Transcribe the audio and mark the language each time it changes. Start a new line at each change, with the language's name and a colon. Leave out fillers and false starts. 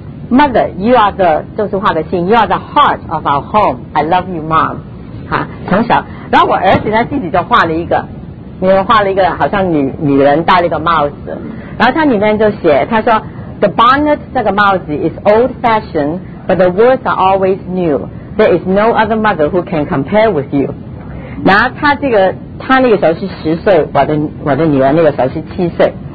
English: mother， you are the
Chinese: 就是画个信
English: you are the heart of our home， I love you mom，
Chinese: 从小，然后我儿子呢自己就画了一个，里面画了一个好像女人戴了一个帽子，然后她里面就写，她说
English: The bonnet
Chinese: 这个帽子
English: is old fashioned, but the words are always new. There is no other mother who can compare with you.
Chinese: 然后他那个时候是10岁，我的女儿那个时候是7岁。